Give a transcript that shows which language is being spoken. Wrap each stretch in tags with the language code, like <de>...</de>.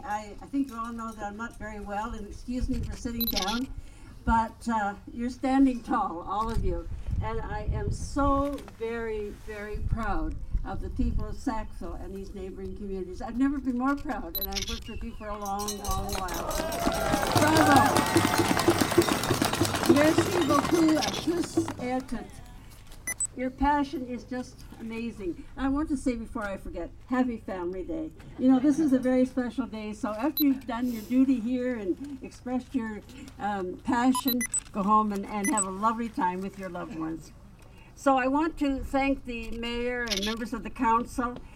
<en>I think you all know that I'm not very well, and excuse me for sitting down, but you're standing tall, all of you. And I am so very, very proud of the people of Sackville and these neighboring communities. I've never been more proud, and I've worked with you for a long, long while. Bravo.</en> <fr>Merci beaucoup à tous et toutes.</fr> <en>Your passion is just amazing. I want to say before I forget, happy Family Day. You know, this is a very special day, so after you've done your duty here and expressed your passion, go home and have a lovely time with your loved ones. So I want to thank the mayor and members of the council.</en>